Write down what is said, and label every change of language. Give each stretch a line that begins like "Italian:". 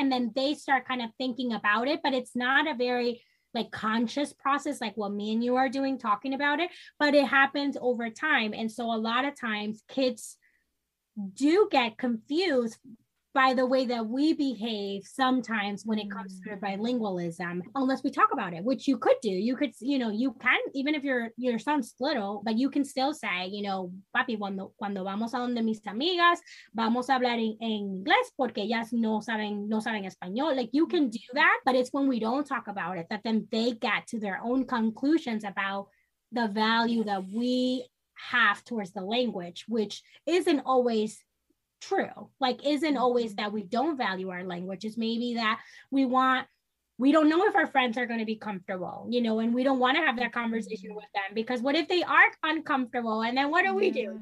English: And then they start kind of thinking about it, but it's not a very like conscious process, like what me and you are doing, talking about it, but it happens over time. And so a lot of times kids do get confused by the way that we behave sometimes when it comes to bilingualism, unless we talk about it, which you could do. You could, you know, you can, even if your son's little, but you can still say, you know,
Spanish: papi, cuando vamos a donde mis amigas, vamos a hablar en inglés porque ellas no saben español.
English: Like, you can do that, but it's when we don't talk about it that then they get to their own conclusions about the value that we have towards the language, which isn't always true. Like, isn't always that we don't value our language. It's maybe that we don't know if our friends are going to be comfortable, you know, and we don't want to have that conversation with them, because what if they are uncomfortable, and then what do we do?